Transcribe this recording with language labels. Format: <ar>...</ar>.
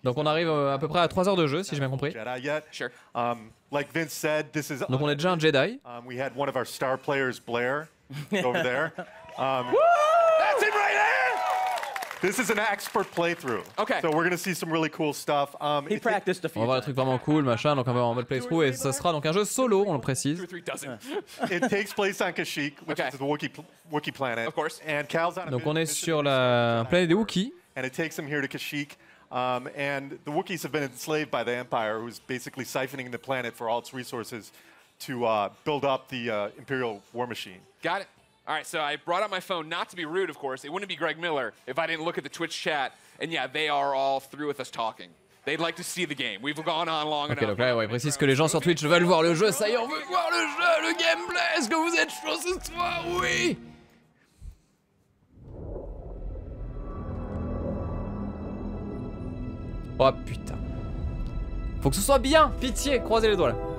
<fr>Donc on arrive à peu près à 3 heures de jeu, si j'ai bien compris.</fr> <en>Jedi yet. Sure. Like Vince said, this is.</en> <fr>Donc on est déjà un Jedi.</fr> <en>We had one of our star players, Blair, over there. That's him right there. This is an expert playthrough. Okay. So we're gonna see some really cool stuff. He practiced a few.</en> <fr>On va voir des trucs vraiment cool, machin. Donc on va en mode playthrough et ça sera donc un jeu solo, on le précise.</fr> <en>It takes place on Kashyyyk, which is the Wookiee planet. Of course. And Cal's on.</en> <fr>Donc on est sur la planète des Wookiees.</fr> <en>And it takes him here to Kashyyyk. And the Wookiees have been enslaved by the Empire, who's basically siphoning the planet for all its resources to build up the Imperial war machine. Got it. All right, so I brought out my phone, not to be rude, of course. It wouldn't be Greg Miller if I didn't look at the Twitch chat. And yeah, they are all through with us talking. They'd like to see the game. We've gone on long enough.</en> <fr>Ok, donc là, ouais, précise que les gens sur Twitch veulent voir le jeu. Ça y est, on veut voir le jeu, le gameplay. Est-ce que vous êtes chaud ce soir? Oui! Oh putain. Faut que ce soit bien. Pitié, croisez les doigts là.</fr>